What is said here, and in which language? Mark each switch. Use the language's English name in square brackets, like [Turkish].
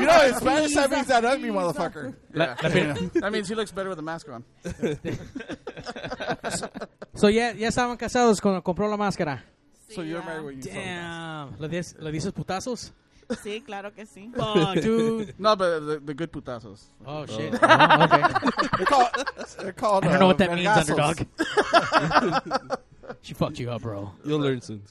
[English] You know, in Spanish, that means that ugly motherfucker. That means he looks better with a mask on. [Spanish] So, ya estaban casados cuando compró la máscara. [English] So, you're married when you saw the mask. [Spanish] Damn. ¿Le dices putazos? Sí, claro que sí. [English] Oh, dude. No, but the good putazos. Oh, shit. Oh, okay. They're called I don't know what that means, underdog. She fucked you up, bro. You'll learn soon.